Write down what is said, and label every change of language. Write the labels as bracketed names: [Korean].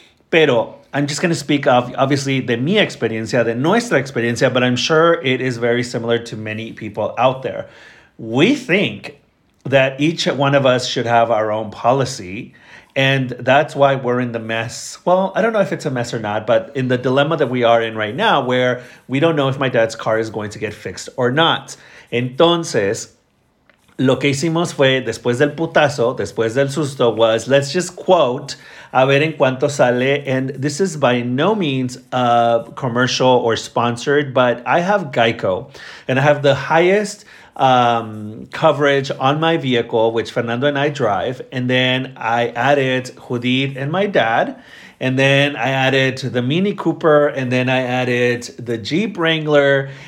[English] Pero I'm just going to speak of, obviously, [Spanish] de mi experiencia, de nuestra experiencia, [English] but I'm sure it is very similar to many people out there. We think that each one of us should have our own policy, and that's why we're in the mess. Well, I don't know if it's a mess or not, but in the dilemma that we are in right now, where we don't know if my dad's car is going to get fixed or not. [Spanish] Entonces, lo que hicimos fue, después del putazo, después del susto, [English] was, let's just quote, [Spanish] a ver en cuánto sale. [English] And this is by no means commercial or sponsored, but I have Geico. And I have the highest coverage on my vehicle, which Fernando and I drive. And then I added Judith and my dad. And then I added the Mini Cooper. And then I added the Jeep Wrangler.